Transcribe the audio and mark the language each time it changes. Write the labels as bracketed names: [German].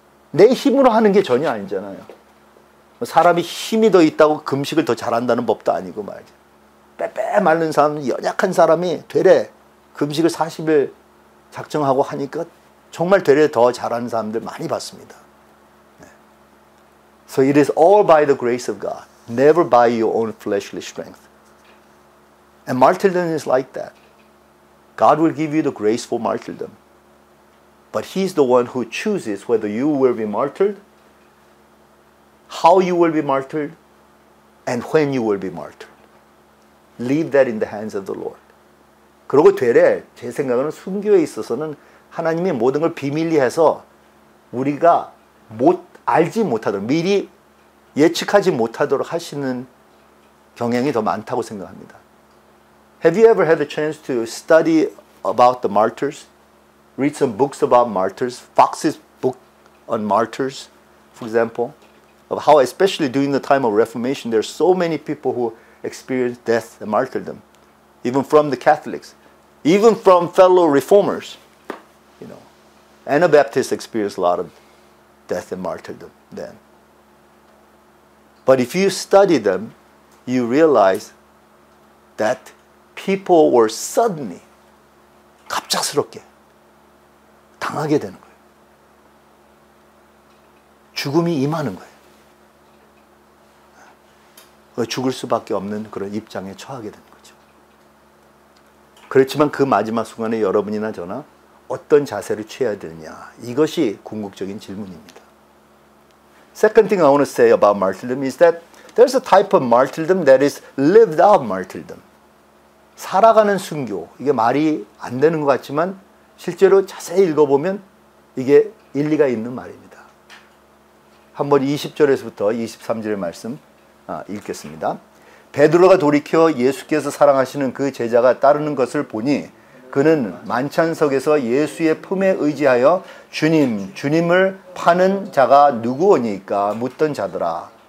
[Korean] 내 힘으로 하는 게 전혀 아니잖아요. 사람이 힘이 더 있다고 금식을 더 잘한다는 법도 아니고 말이죠. 빼빼 말른 사람, 연약한 사람이 되래 금식을 40일 작정하고 하니까 정말 되려 더 잘하는 사람들 많이 봤습니다. [English] So it is all by the grace of God, never by your own fleshly strength. And martyrdom is like that. God will give you the grace for martyrdom. But He's the one who chooses whether you will be martyred, how you will be martyred, and when you will be martyred. Leave that in the hands of the Lord. [Korean] 그러고 되래, 제 생각에는 순교에 있어서는 하나님이 모든 걸 비밀리해서 우리가 알지 못하도록, 미리 예측하지 못하도록 하시는 경향이 더 많다고 생각합니다. [English] Have you ever had the chance to study about the martyrs? Read some books about martyrs? Fox's book on martyrs, for example, of how especially during the time of Reformation, there are so many people who experienced death and martyrdom, even from the Catholics. Even from fellow reformers, you know, Anabaptists experienced a lot of death and martyrdom then. But if you study them, you realize that people were suddenly, [Korean] 갑작스럽게 당하게 되는 거예요. 죽음이 임하는 거예요. 죽을 수밖에 없는 그런 입장에 처하게 되는 거예요. 그렇지만 그 마지막 순간에 여러분이나 저나 어떤 자세를 취해야 되느냐. 이것이 궁극적인 질문입니다. Second thing I want to say about martyrdom is that there's a type of martyrdom that is lived out martyrdom. 살아가는 순교, 이게 말이 안 되는 것 같지만 실제로 자세히 읽어보면 이게 일리가 있는 말입니다. 한번 20절에서부터 23절의 말씀 읽겠습니다. 베드로가 돌이켜 예수께서 사랑하시는 그 제자가 따르는 것을 보니 그는 만찬석에서 예수의 품에 의지하여 주님, 주님을 파는 자가 누구오니까 묻던 자더라.